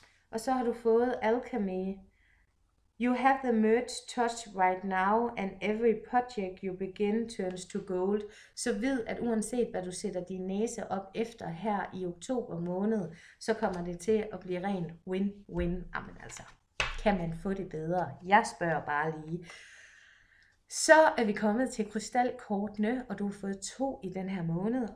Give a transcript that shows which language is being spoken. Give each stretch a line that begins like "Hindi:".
Danish: Og så har du fået alchemy.
English: You have the merge touch right now, and every project you begin turns to gold.
Danish: Så ved, at uanset hvad du sætter din næse op efter her i oktober måned, så kommer det til at blive rent win-win. Jamen altså, kan man få det bedre? Jeg spørger bare lige. Så er vi kommet til krystalkortene, og du har fået to i den her måned.